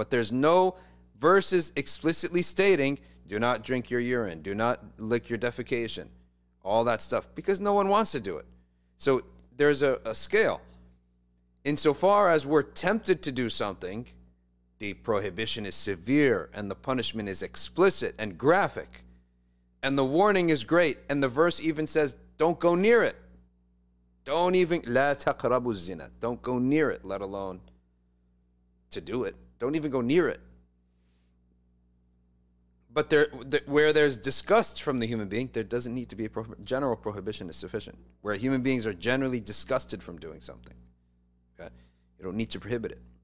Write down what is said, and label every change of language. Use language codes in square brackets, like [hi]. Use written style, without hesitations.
[en] But there's no verses explicitly stating, do not drink your urine, do not lick your defecation, all that stuff, because no one wants to do it. So there's a scale. Insofar as we're tempted to do something, the prohibition is severe and the punishment is explicit and graphic. And the warning is great. And the verse even says, don't go near it. Don't even, [ar] لا تقربوا الزنا. [en] Don't go near it, let alone to do it. Don't even go near it. But where there's disgust from the human being, there doesn't need to be a general prohibition is sufficient. Where human beings are generally disgusted from doing something. Okay? You don't need to prohibit it.